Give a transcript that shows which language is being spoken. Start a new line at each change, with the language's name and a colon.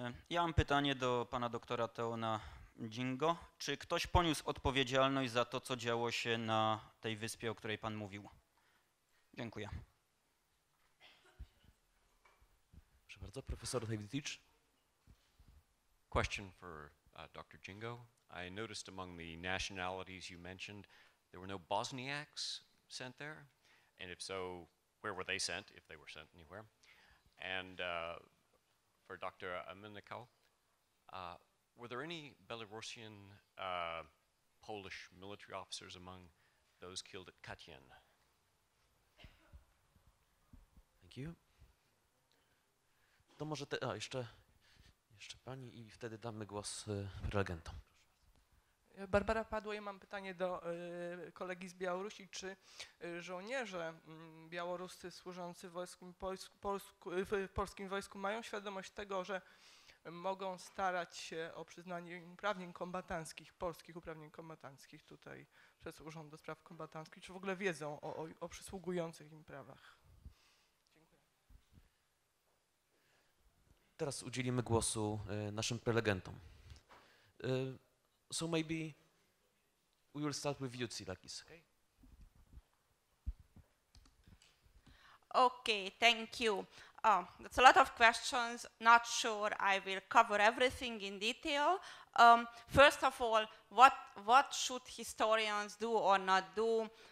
Polish: Ja mam pytanie do pana doktora Teona Dzingo. Czy ktoś poniósł odpowiedzialność za to, co działo się na tej wyspie, o której pan mówił? Dziękuję. Proszę bardzo, profesor Hewitycz.
English: Question for Dr. Dzingo. I noticed among the nationalities you mentioned, there were no Bosniaks sent there. And if so, where were they sent, if they were sent anywhere? And for Dr. Melnikau, were there any Belarusian Polish military officers among those killed at Katyn? Thank you.
Polish: To może jeszcze pani i wtedy damy głos prelegentom. Barbara Padło, ja mam pytanie do kolegi z Białorusi, czy żołnierze białoruscy służący w polskim wojsku mają świadomość tego, że mogą starać się o przyznanie uprawnień kombatanckich, polskich uprawnień kombatanckich tutaj przez Urząd do Spraw Kombatanckich, czy w ogóle wiedzą o przysługujących im prawach? Dziękuję. Teraz udzielimy głosu naszym prelegentom.
English: So maybe we will start with you, Csilla Kiss. Okay. Okay, thank you. Oh, that's a lot of questions. Not sure I will cover everything in detail. First of all, what should historians do or not do?